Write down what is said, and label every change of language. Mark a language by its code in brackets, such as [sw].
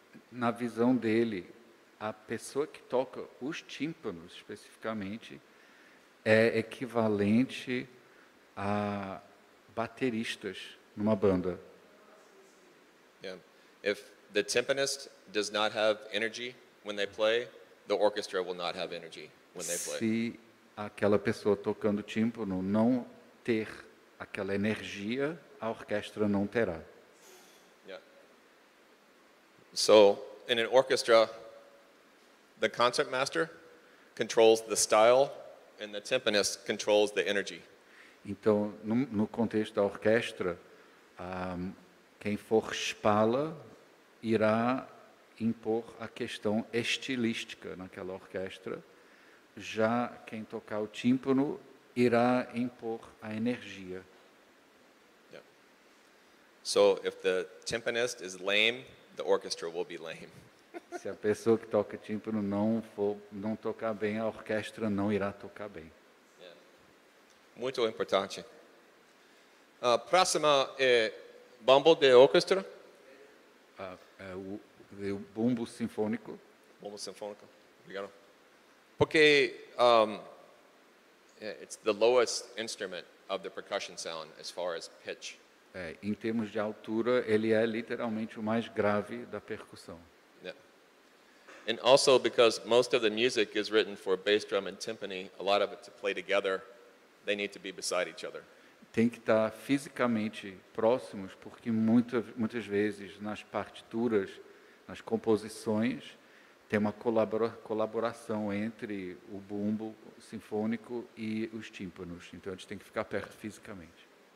[pt] Na visão dele, a pessoa que toca os tímpanos especificamente é equivalente a bateristas numa banda. [en] Yeah. If the tympanist does not have energy when they play, the orchestra will not have energy when they play. [pt] Se aquela pessoa tocando tímpano não ter aquela energia, a orquestra não terá. [en] Yeah. So, in an orchestra, the concertmaster controls the style and the tympanist controls the energy. [pt] Então, no contexto da orquestra, quem for spala irá impor a questão estilística naquela orquestra. Já quem tocar o tímpano irá impor a energia. [en] So if the tympanist is lame, the orchestra will be lame. [pt] Se a pessoa que toca tímpano não tocar bem, a orquestra não irá tocar bem. Muito importante. A próxima é bumbo de orquestra. O bumbo sinfônico. Bumbo sinfônico. Obrigado. Porque [en] it's the lowest instrument of the percussion sound as far as pitch. [pt] Em termos de altura, ele é literalmente o mais grave da percussão. [en] Yeah. And also because most of the music is written for bass drum and timpani, a lot of it to play together, they need to be beside each other. [pt] Tem que estar fisicamente próximos, porque muitas vezes nas partituras, nas composições, tem uma colaboração entre o bumbo sinfônico e os tímpanos. Então, eles têm que ficar perto fisicamente.